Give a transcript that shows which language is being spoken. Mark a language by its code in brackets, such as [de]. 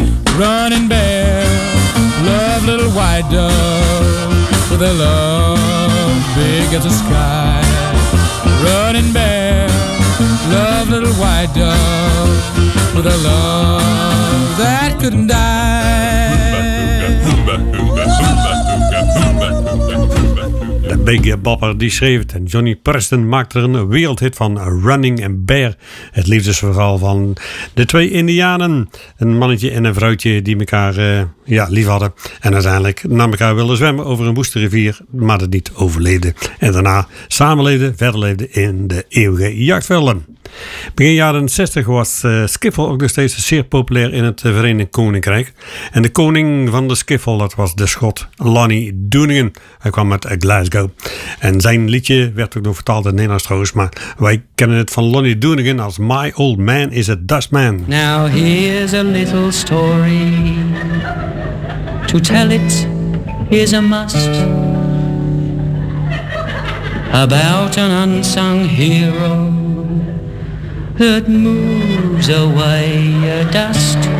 [en] Running Bear, love little white dove, with a love big as the sky. Running Bear, love little white dove, with a love that couldn't die. [nl] Biggie Bopper die schreef het en Johnny Preston maakte er een wereldhit van. Running and Bear, het liefdesverhaal van de twee Indianen. Een mannetje en een vrouwtje die elkaar lief hadden. En uiteindelijk naar elkaar wilden zwemmen over een woeste rivier, maar dat niet overleden. En daarna samenleefden, verder leefden in de eeuwige jachtvelden. Begin jaren 60 was skiffle ook nog steeds zeer populair in het Verenigd Koninkrijk. En de koning van de skiffle, dat was de Schot Lonnie Dunigan. Hij kwam uit Glasgow. En zijn liedje werd ook nog vertaald in Nederlands trouwens. Maar wij kennen het van Lonnie Dunigan als My Old Man is a Dustman. [en] Now here's a little story. To tell it is a must. About an unsung hero that moves away a dust.